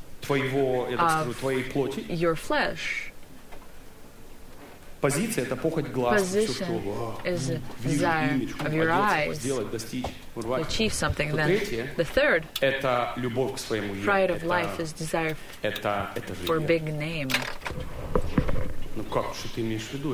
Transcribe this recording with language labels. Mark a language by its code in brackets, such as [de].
[ru] твоего, я так скажу, твоей плоти, [en] your flesh, [ru] Позиция — это похоть глаз, [en] position is a desire of your eyes to achieve something. Then the third, [ru] это любовь к своему имени. [en] Pride of life is desire for big name. [ru] Ну как, что ты имеешь в виду?